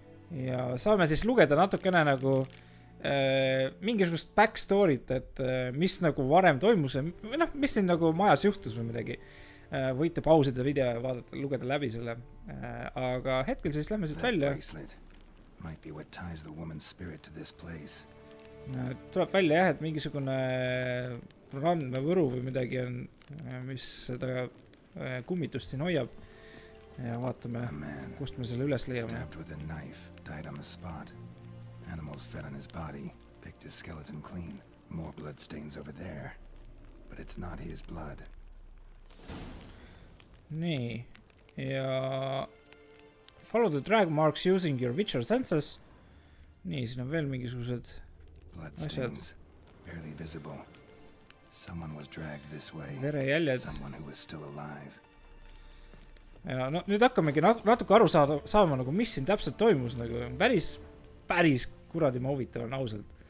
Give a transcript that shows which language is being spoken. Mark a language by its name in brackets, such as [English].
[Estonian] Ja saame siis lugeda natukene nagu mingisugust backstoryt, et mis nagu varem toimus. Või noh, mis siin nagu majas juhtus või midagi. Võite pausida video ja vaadata, lugeda läbi selle. Aga hetkel siis lähme siit välja. [English] Might be what ties the woman's spirit to this place. [Estonian] Tuleb välja jah, et mingisugune randme võru või midagi on, mis seda kummitust siin hoiab. Ja vaatame, kust me selle üles leiame. [English] Stabbed with a knife, died on the spot. Animals fed on his body, picked his skeleton clean. More blood stains over there. But it's not his blood. [Estonian] Nii, ja... [English] Follow the drag marks using your Witcher senses. [Estonian] Nii, siin on veel mingisugused [English] blood stains, barely visible. Someone was dragged this way. [Estonian] Verejäljed. [English] Someone who was still alive. [Estonian] Ja no, nüüd hakkamegi natuke aru saama nagu mis siin täpselt toimus, nagu päris kuradi huvitav on ausalt.